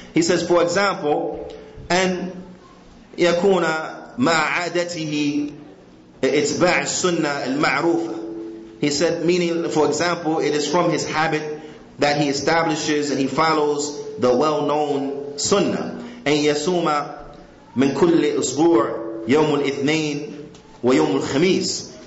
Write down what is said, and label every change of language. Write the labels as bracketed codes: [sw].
[en] He says, for example, [ar] أن يكون مع عادته إتباع السنة المعروفة. [en] He said, meaning, for example, it is from his habit that he establishes and he follows the well-known sunnah. [ar] أن يصوم من كل أسبوع يوم الاثنين ويوم الخميس.